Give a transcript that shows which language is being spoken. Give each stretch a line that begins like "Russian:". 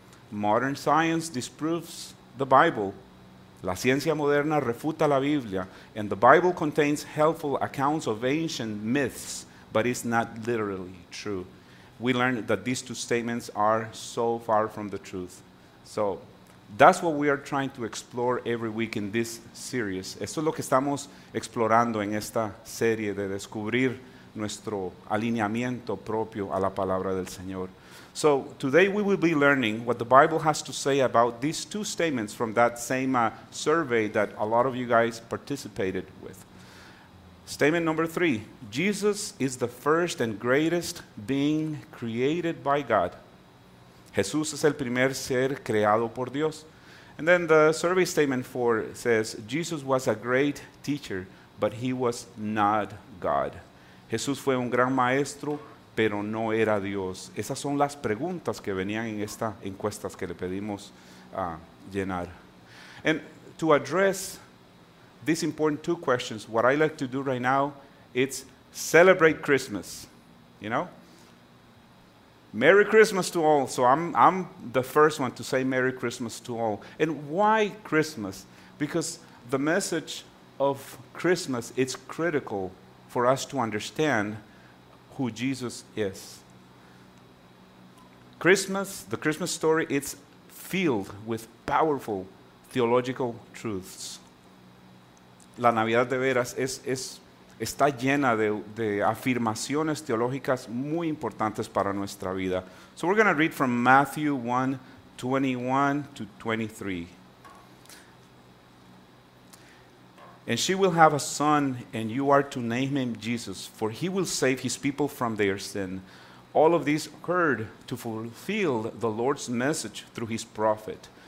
English: Modern science disproves the Bible.
Spanish: La ciencia moderna refuta la Biblia.
English: And the Bible contains helpful accounts of ancient myths, but it's not literally true. We learned that these two statements are so far from the truth. So that's what we are trying to explore every week in this series.
Spanish: Esto es lo que estamos explorando en esta serie de descubrir nuestro alineamiento propio a la palabra del Señor.
English: So today we will be learning what the Bible has to say about these two statements from that same survey that a lot of you guys participated with. Statement number three, Jesus is the first and greatest being created by God.
Spanish: Jesús es el primer ser creado por Dios.
English: And then the survey statement four says, Jesus was a great teacher, but he was not God.
Spanish: Jesús fue un gran maestro, pero no era Dios. Esas son las preguntas que venían en esta encuesta que le pedimos llenar.
English: And to address these important two questions, what I like to do right now, it's celebrate Christmas, you know? Merry Christmas to all. So I'm the first one to say Merry Christmas to all. And why Christmas? Because the message of Christmas, it's critical for us to understand who Jesus is. Christmas, the Christmas story, it's filled with powerful theological truths.
Spanish: La Navidad de veras está llena de afirmaciones teológicas muy importantes para nuestra vida.
English: So we're going to read from Matthew 1, 21 to 23. And she will have a son, and you are to name him Jesus, for he will save his people from their sin. All of these occurred to fulfill the Lord's message through his prophet.